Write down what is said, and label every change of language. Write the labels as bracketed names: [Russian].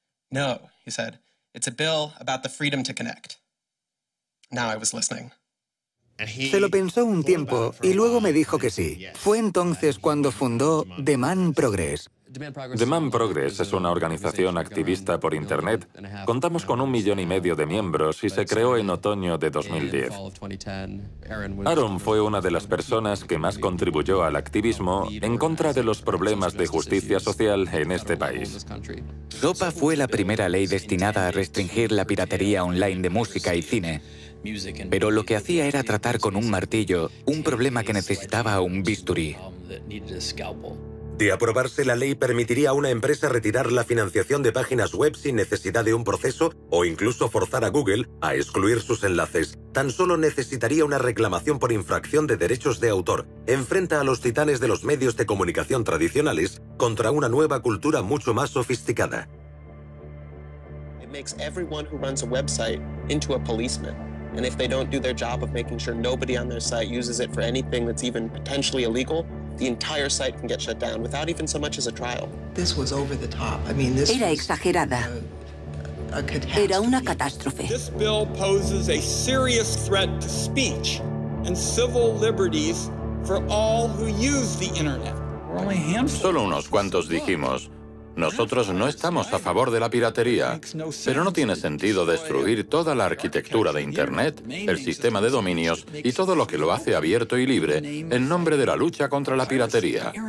[English] No, he said, it's a bill about the freedom to connect. Now I was listening. [Spanish] Se lo pensó un tiempo y luego me dijo que sí. Fue entonces cuando fundó Demand Progress. Demand Progress es una organización activista por Internet. Contamos con 1,500,000 de miembros y se creó en otoño de 2010. Aaron fue una de las personas que más contribuyó al activismo en contra de los problemas de justicia social en este país. SOPA fue la primera ley destinada a restringir la piratería online de música y cine. Pero lo que hacía era tratar con un martillo un problema que necesitaba un bisturí. De aprobarse, la ley permitiría a una empresa retirar la financiación de páginas web sin necesidad de un proceso o incluso forzar a Google a excluir sus enlaces. Tan solo necesitaría una reclamación por infracción de derechos de autor. Enfrenta a los titanes de los medios de comunicación tradicionales contra una nueva cultura mucho más sofisticada. [English] It makes everyone who runs a website into a policeman. And if they don't do their job of making sure nobody on their site uses it for anything that's even potentially illegal, the entire site can get shut down without even so much as a trial. This was over the top. I mean, this [Spanish] era exagerada. Era una catástrofe. [English] This bill poses a serious threat to speech and civil liberties for all who use the internet. [Spanish] Solo unos cuantos dijimos, nosotros no estamos a favor de la piratería, pero no tiene sentido destruir toda la arquitectura de Internet, el sistema de dominios y todo lo que lo hace abierto y libre en nombre de la lucha contra la piratería.